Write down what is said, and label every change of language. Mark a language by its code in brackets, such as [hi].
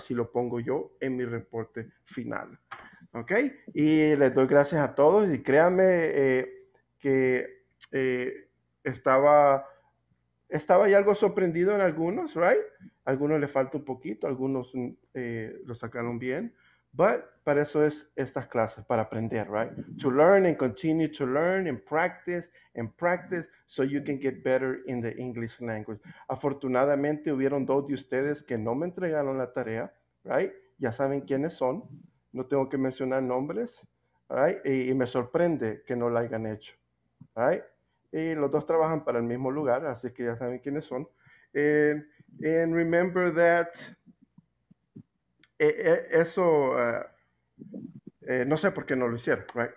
[es] Así lo pongo yo en mi reporte final, okay? Y les doy gracias a todos y créanme que estaba ya algo sorprendido en algunos, right? Algunos le falta un poquito, algunos lo sacaron bien. But para eso es estas clases, para aprender, right? [en] To learn and continue to learn and practice so you can get better in the English language. [es] Afortunadamente hubieron dos de ustedes que no me entregaron la tarea, right? Ya saben quiénes son, no tengo que mencionar nombres, right? Y me sorprende que no la hayan hecho, right? Y los dos trabajan para el mismo lugar, así que ya saben quiénes son. [en] And remember that [es] no sé por qué no lo hicieron, right?